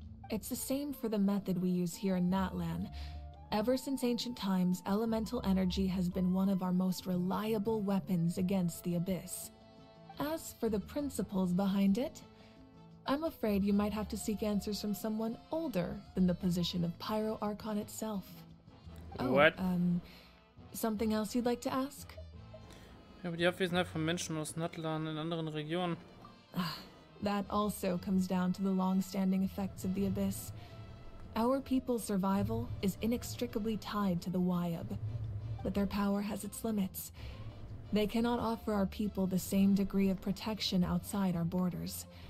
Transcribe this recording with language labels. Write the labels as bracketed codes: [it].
[en] It's the same for the method we use here in Natlan. Ever since ancient times, elemental energy has been one of our most reliable weapons against the Abyss. As for the principles behind it, I'm afraid you might have to seek answers from someone older than the position of Pyro Archon itself. What? Oh, something else you'd like to ask? [de] Ja, aber die Abwesenheit von Menschen aus Natlan in anderen Regionen. [en] That also comes down to the long-standing effects of the Abyss. Our people's survival is inextricably tied to the Wyab, but their power has its limits. They cannot offer our people the same degree of protection outside our borders.